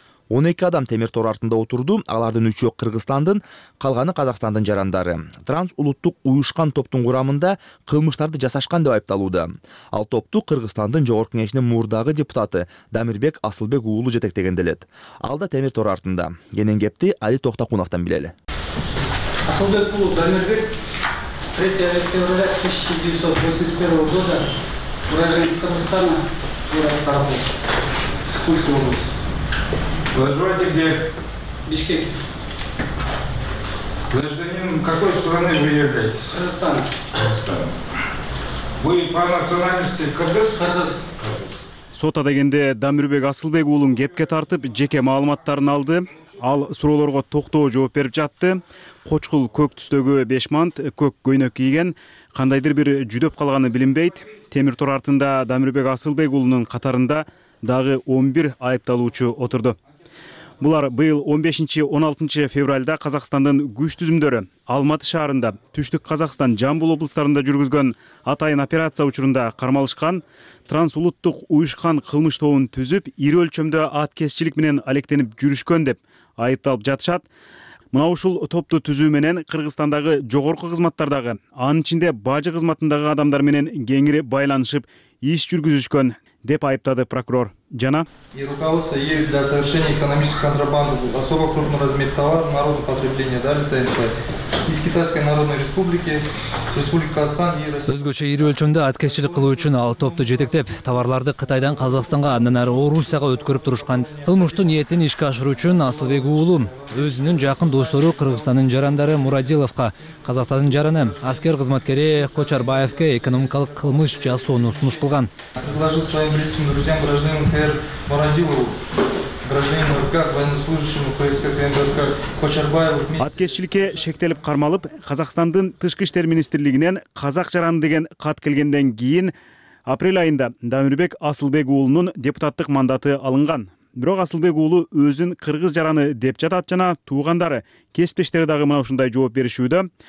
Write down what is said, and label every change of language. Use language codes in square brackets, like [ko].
[ky] 12 адам темир тор артында отурду, алардын 3 Кыргызстандын, калганы Казакстандын жарандары. Транс улуттук уюшкан топтун курамында кылмыштарды жасашкан деп айыпталууда. Ал топту Кыргызстандын Жогорку Кеңешинин мурдагы депутаты Дамирбек Асылбек уулу жетектеген делет. Ал да темир тор артында. Кенен кепти Али Токтокуновтан билели. [ru] Асылбек Кулу Дамирбек 3 февраля 1981 года уроженец Казахстана, город Карабул, Сыктывкар область. Вы живете где? Бишкек. Вы гражданин какой страны вы являетесь? Казахстан. Казахстан. Вы по национальности кыргыз? [ky] Кыргыз. Сот адегенде Дамирбек Асылбек уулун кепке тартып, жеке маалыматтарын алды. Ал суроолорго токтоо жооп берип жатты. Кочкул көк түстөгү бешмант, көк көйнөк кийген, кандайдыр бир жүдөп калганы билинбейт. Темир тур артында Дамирбек Асылбек уулунун катарында дагы 11 айыпталуучу отурду. Булар быйыл 15-16 февралда Казакстандын күч түзүмдөрү Алматы шаарында, Түштүк Казакстан, Жамбыл облустарында жүргүзгөн атайын операция учурунда кармалышкан, трансулуттук уюшкан кылмыш тобун түзүп, ири өлчөмдө аткезчилик менен алектенип жүрүшкөн деп айыпталып жатышат. Мына ушул топту түзүү менен Кыргызстандагы жогорку кызматтардагы, анын ичинде бажы кызматындагы адамдар менен кеңири байланышып иш жүргүзүшкөн деп айыптады прокурор. Жана [ru] и руководство ею для совершения экономической контрабанды был особо крупный размер товара народного потребления, далее ТНП. Из Китайской Народной Республики, Республики Казахстан и Россия. [ky] Өзгөчө ири өлчөмдө аткезчилик кылуу үчүн ал топту жетектеп, товарларды Кытайдан Казакстанга, андан ары Орусияга өткөрүп турушкан. Кылмыштуу ниетин ишке ашыруу үчүн Асылбек уулу өзүнүн жакын достору Кыргызстандын жарандары Мурадиловко, Казакстандын жараны аскер кызматкери Кочарбаевке экономикалык кылмыш жасоону сунуш кылган. [ru] Предложил своим близким друзьям, гражданам КР Мурадилову, гражданину РК, военнослужащему КСК МВК Кочарбаеву. [ky] Аткезчиликке шектелип кармалып, Казакстандын тышкы иштер министрлигинен казак жараны деген кат келгенден кийин апрель айында Дамирбек Асылбек уулунун депутаттык мандаты алынган. Бирок Асылбек уулу өзүн кыргыз жараны деп жатат жана туугандары, кесиптештери дагы мына ушундай жооп беришүүдө.